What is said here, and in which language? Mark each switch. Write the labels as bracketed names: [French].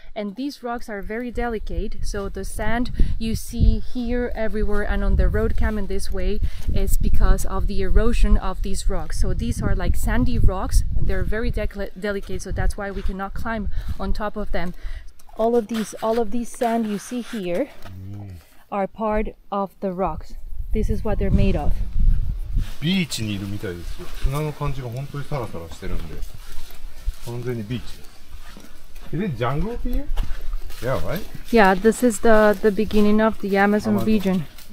[English] And these rocks are very delicate, so the sand you see here everywhere and on the road coming this way is because of the erosion of these rocks. So these are like sandy rocks, they're very delicate, so that's why we cannot climb on top of them. All of these sand you see here are part of the rocks. This is what they're made of. [Japanese] ビーチにいるみたいですよ。砂の感じが本当にサラサラしてるんで。 [English] Is it jungle here? Yeah, right? Yeah, this is the beginning of the Amazon region.